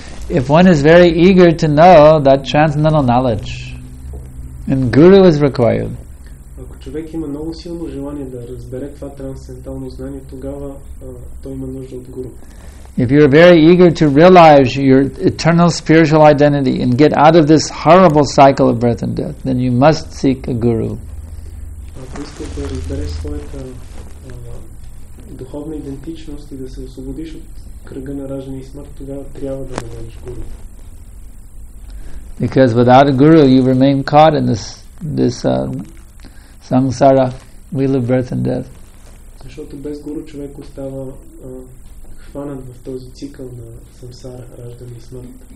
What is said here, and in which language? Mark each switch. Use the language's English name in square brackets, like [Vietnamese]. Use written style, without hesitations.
[English] If one is very eager to know that transcendental knowledge, and guru is required. [Bulgarian] Ако човек има много силно желание да разбере това трансцендентално знание, тогава той има нужда от гуру. [English] If you are very eager to realize your eternal spiritual identity and get out of this horrible cycle of birth and death, then you must seek a guru. [Bulgarian] Ако искаш да разбереш своята духовна идентичност и да се освободиш от кръга на раждане и смърт, тогава трябва да намериш гуру. [English] Because without a guru, you remain caught in this samsara, wheel of birth and death. [Bulgarian] Защото без гуру човек остава хванат в този цикъл на самсара, раждане и смърт.